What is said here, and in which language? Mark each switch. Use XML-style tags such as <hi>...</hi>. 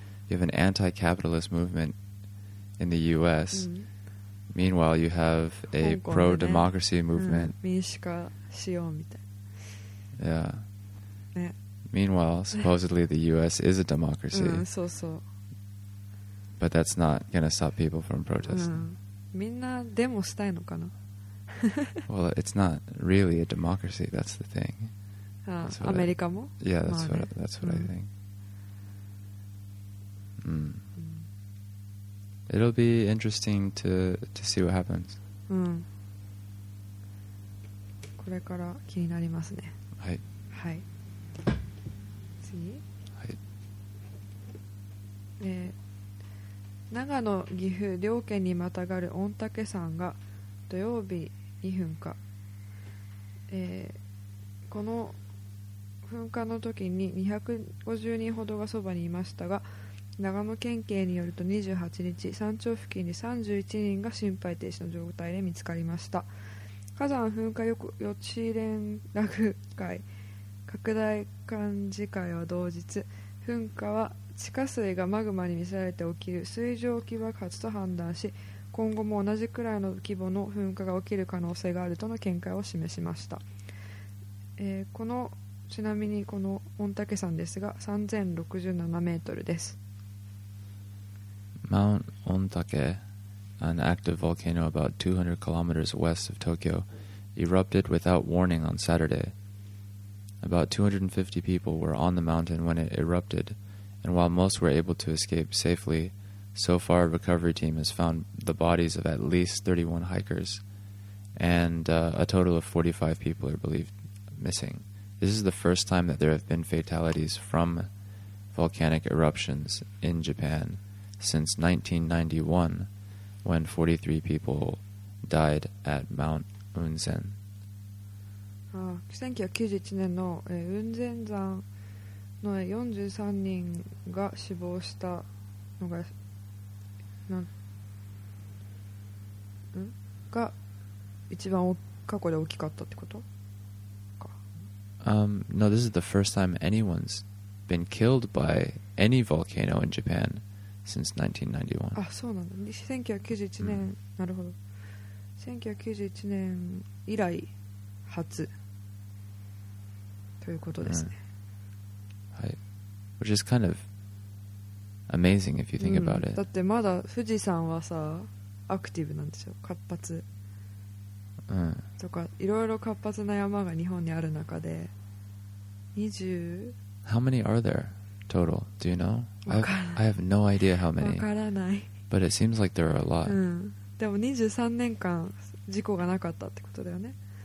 <en>You have an anti-capitalist movement in the U.S. Meanwhile, you have a pro-democracy movement.</en> <ja>民主化しようみたい。</ja> <en>Yeah.</en> <ja>ね。</ja> <en>Meanwhile, supposedly the U.S. is a democracy.</en> <ja>うん、そうそう。</ja> <en>But that's not going to stop people from protesting.</en> <ja>うん。みんなデモしたいのかな?</ja> <en>Well, it's not really a democracy. That's the thing.</en> <ja>アメリカも?</ja> <en>Yeah, that's what, that's what I think. Mm. Mm. It'll be interesting to see what happens.</en> <ja>うん。これから気になりますね。はい。はい。次。はい。長野、岐阜、両県にまたがる御嶽山が土曜日に噴火。この噴火の時に250人ほどがそばにいましたが、長野県警によると28日、山頂付近に31人が心肺停止の状態で見つかりました。火山噴火予知連絡会拡大幹事会は同日、噴火は地下水がマグマに見せられて起きる水蒸気爆発と判断し、今後も同じくらいの規模の噴火が起きる可能性があるとの見解を示しました。このちなみにこの御嶽山ですが3067メートルです。</ja> <en>Mount Ontake, an active volcano about 200 kilometers west of Tokyo, erupted without warning on Saturday. About 250 people were on the mountain when it erupted, and while most were able to escape safely, so far a recovery team has found the bodies of at least 31 hikers, and a total of 45 people are believed missing. This is the first time that there have been fatalities from volcanic eruptions in Japan since 1991, when 43 people died at Mount Unzen.</en> <ja>Ah, 1991年の雲仙山の43人が死亡したのが、なん、ん? が一番過去で大きかったってことか。</ja> <en>No, this is the first time anyone's been killed by any volcano in Japan since 1991.</en> <ja>あ、そうなんだ。1991年、なるほど。 1991年以来初ということですね。</ja> <en>Which is kind of amazing if you think about it.</en> <ja>だってまだ富士山はさ、アクティブなんですよ、活発。うん。とかいろいろ活発な山が日本にある中で、20?</ja> <en>How many are there total? Do you know? I have no idea how many.</en> <ja>わからない。</ja> <en>But it seems like there are a lot.</en> <ja>うん。でも23年間事故がなかったってことだよね。</ja>